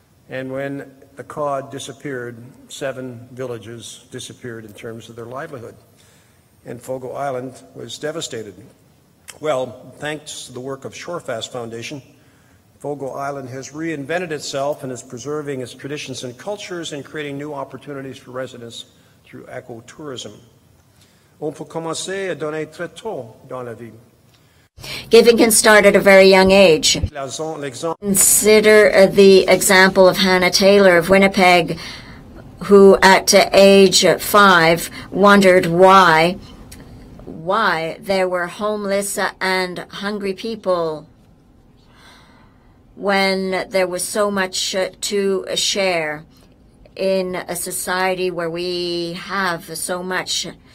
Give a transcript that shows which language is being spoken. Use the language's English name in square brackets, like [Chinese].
[English] And when the cod disappeared, seven villages disappeared in terms of their livelihood. And Fogo Island was devastated. Well, thanks to the work of Shorefast Foundation, Fogo Island has reinvented itself and is preserving its traditions and cultures and creating new opportunities for residents through ecotourism. [French] On peut commencer à donner très tôt dans la vie. [English] Giving can start at a very young age. Consider the example of Hannah Taylor of Winnipeg, who at age 5 wondered why there were homeless and hungry people when there was so much to share in a society where we have so much.